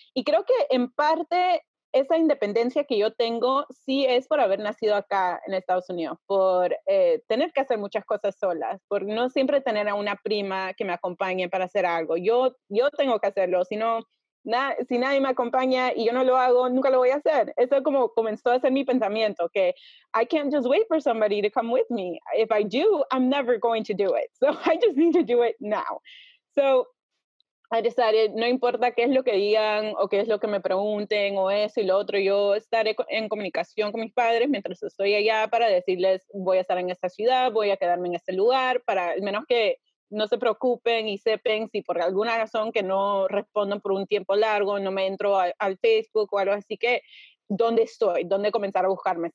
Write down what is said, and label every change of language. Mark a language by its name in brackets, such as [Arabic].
[Spanish] Y creo que en parte esa independencia que yo tengo sí es por haber nacido acá en Estados Unidos, por tener que hacer muchas cosas solas, por no siempre tener a una prima que me acompañe para hacer algo. Yo tengo que hacerlo, si nadie me acompaña y yo no lo hago, nunca lo voy a hacer. Eso como comenzó a ser mi pensamiento, que [English] I can't just wait for somebody to come with me. If I do, I'm never going to do it. So I just need to do it now. So I decided, [Spanish] no importa qué es lo que digan o qué es lo que me pregunten o eso y lo otro, yo estaré en comunicación con mis padres mientras estoy allá para decirles, voy a estar en esta ciudad, voy a quedarme en este lugar, para al menos que no se preocupen y sepan si por alguna razón que no respondan por un tiempo largo, no me entro al Facebook o algo así, que ¿dónde estoy? ¿Dónde comenzar a buscarme?